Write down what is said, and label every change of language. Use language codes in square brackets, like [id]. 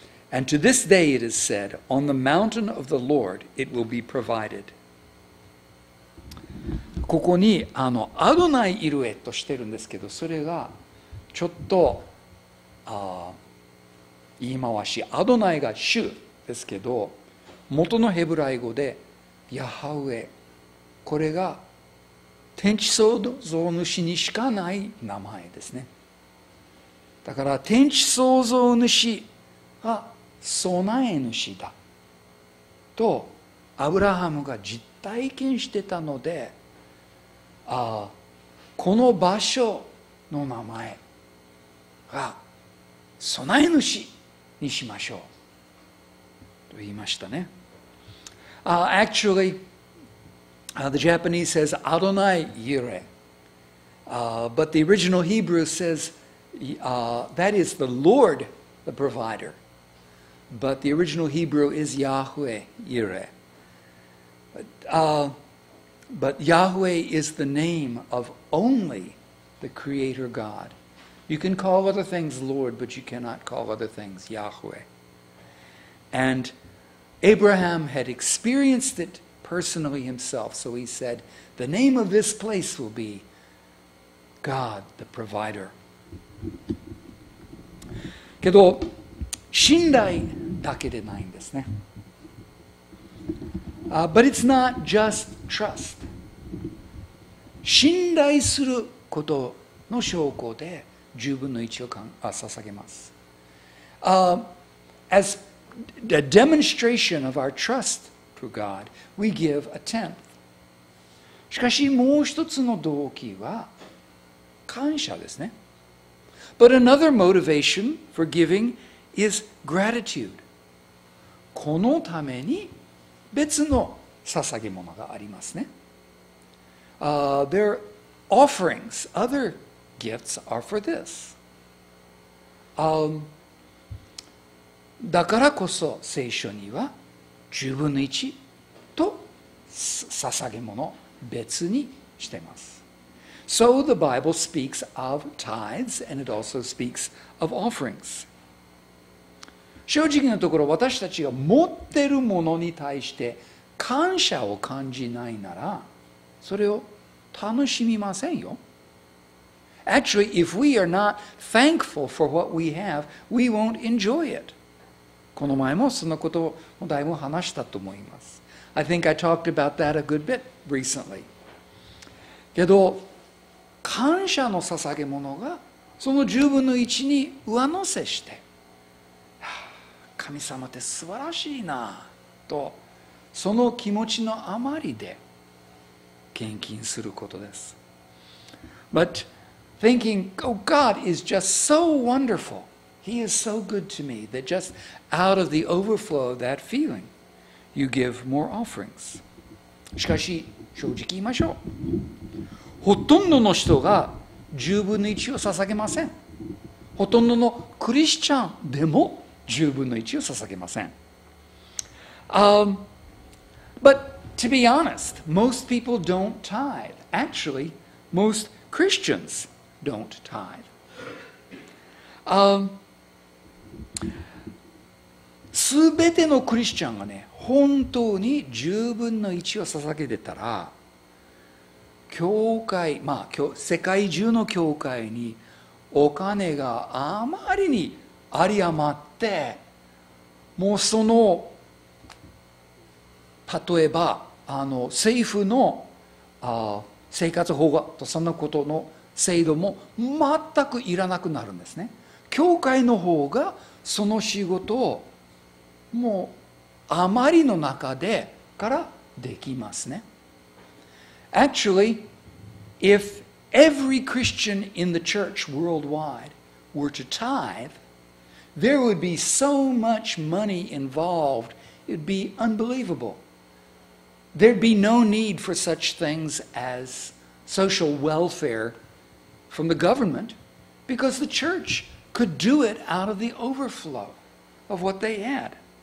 [en] And to this day it is said, on the mountain of the Lord it will be provided. [ja] ここにアドナイ・イルエとしてるんですけど、それがちょっと言い回し、アドナイが主ですけど、元のヘブライ語でヤハウエ、これが天地創造主にしかない名前ですね。だから天地創造主が備え主だとアブラハムが実体験してたので、この場所の名前が備え主にしましょうと言いましたね。 [en] Actually, the Japanese says Adonai Yireh, but the original Hebrew says that is the Lord, the provider. But the original Hebrew is Yahweh Yireh. But Yahweh is the name of only the Creator God. You can call other things Lord, but you cannot call other things Yahweh. And Abraham had experienced it personally himself, so he said, the name of this place will be God the Provider. [ja] けど、信頼だけでないんですね。 [en] But it's not just trust. [ja] 信頼することの証拠で十分の一を捧げます。 [en] As a demonstration of our trust to God, we give a tenth. [ja] しかしもう一つの動機は感謝ですね。 [en] But another motivation for giving is gratitude. [ja] このために別の捧げ物がありますね。 [en] Their offerings, other gifts are for this. [ja] だからこそ聖書には10分の1と捧げ物別にしています。 [en] So the Bible speaks of tithes and it also speaks of offerings. [ja] 正直なところ私たちが持っているものに対して感謝を感じないならそれを楽しみませんよ。 [en] Actually, if we are not thankful for what we have, we won't enjoy it. [ja] この前もそのことをだいぶ話したと思います。 [en] I think I talked about that a good bit recently. [ja] けど、感謝の捧げ物がその10分の1に上乗せして、神様って素晴らしいなと、その気持ちのあまりで、献金することです。 [en] But thinking, oh God is just so wonderful. He is so good to me that just out of the overflow of that feeling, you give more offerings. [ja] しかし、正直言いましょう。ほとんどの人が10分の1を捧げません。ほとんどのクリスチャンでも10分の1を捧げません。 [en] But to be honest, most people don't tithe. Actually, most Christians don't tithe. [ja] 全てのクリスチャンがね、本当に10分の1を捧げてたら、教会、まあ、世界中の教会にお金があまりに有り余って、もうその、例えば、政府の生活保護とそんなことの制度も全くいらなくなるんですね。教会の方がその仕事をもう余りの中でからできますね。 [en] Actually, if every Christian in the church worldwide were to tithe, there would be so much money involved, it'd be unbelievable. There'd be no need for such things as social welfare from the government because the church could do it out of the overflow of what they had.